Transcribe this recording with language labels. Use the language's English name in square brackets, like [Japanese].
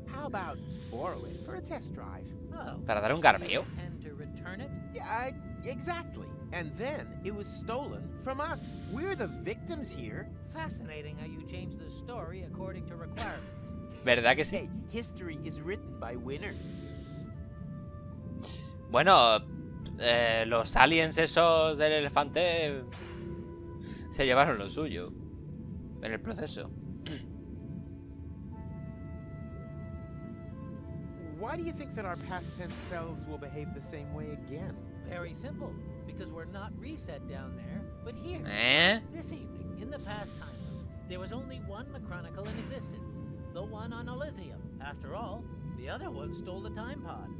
[English] How about borrow it for a test drive? Oh, [Spanish] para dar un garbeo. [English] You intend to return it? Yeah, exactly. And then it was stolen from us. We're the victims here. Fascinating how you change the story according to requirements. [Spanish] ¿Verdad que sí? [English] Hey, history is written by winners. [Spanish] Bueno, los aliens esos del elefante se llevaron lo suyo en el proceso. [English] Why do you think that our past tense selves will behave the same way again? Very simple. Because we're not reset down there, but here. Eh? This evening, in the past time loop, there was only one Macronicle in existence. The one on Elysium. After all, the other one stole the time pod.